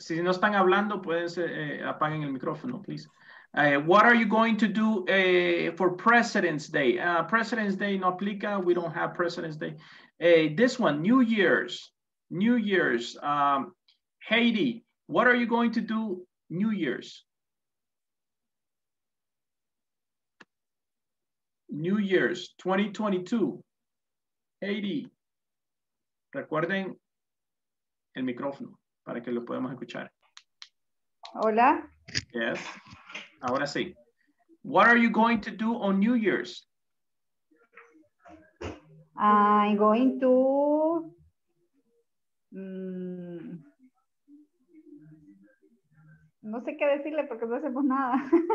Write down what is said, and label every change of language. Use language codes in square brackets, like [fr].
[es] Si no están hablando, pueden apaguen el micrófono, please. [en] What are you going to do for President's Day? [es] President's Day no aplica. [en] We don't have President's Day. This one, New Year's. New Year's. Haiti, what are you going to do New Year's? New Year's 2022. Haiti. [es] Recuerden el micrófono para que lo podamos escuchar. Hola. Yes. Ahora sí. [en] What are you going to do on New Year's? I'm going to [es] no sé qué decirle porque no hacemos nada.